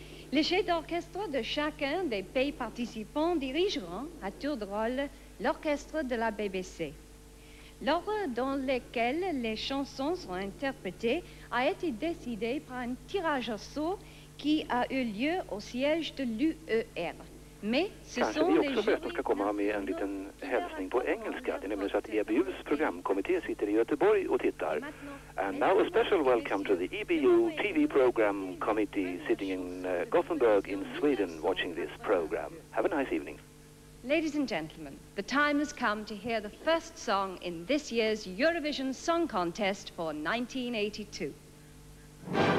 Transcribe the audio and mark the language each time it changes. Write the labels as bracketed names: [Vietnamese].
[French] Les chefs d'orchestre de chacun des pays participants dirigeront à tour de rôle l'orchestre de la BBC. L'ordre dans lequel les chansons seront interprétées a été décidé par un tirage au sort qui a eu lieu au siège de l'UER. [Swedish] Kanske vi också förresten ska komma med en liten hälsning på engelska. Det är nämligen så att EBU:s programkommitté sitter i Göteborg och tittar. [English] And now a special welcome to the EBU TV program committee sitting in Gothenburg in Sweden watching this program. Have a nice evening. Ladies and gentlemen, the time has come to hear the first song in this year's Eurovision Song Contest for 1982.